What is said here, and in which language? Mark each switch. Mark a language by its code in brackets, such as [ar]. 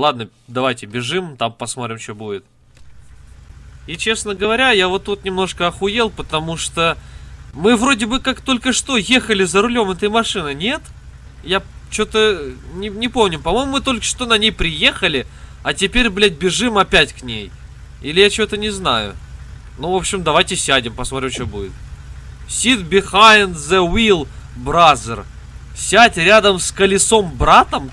[ru] Ладно, давайте бежим, там посмотрим, что будет. И, честно говоря, я вот тут немножко охуел, потому что мы вроде бы как только что ехали за рулем этой машины, нет? Я что-то не помню. По-моему, мы только что на ней приехали, а теперь, блять, бежим опять к ней. Или я чего-то не знаю. Ну, в общем, давайте сядем, посмотрим, что будет. [en] Sit behind the wheel, brother. [ru] Сядь рядом с колесом, братом?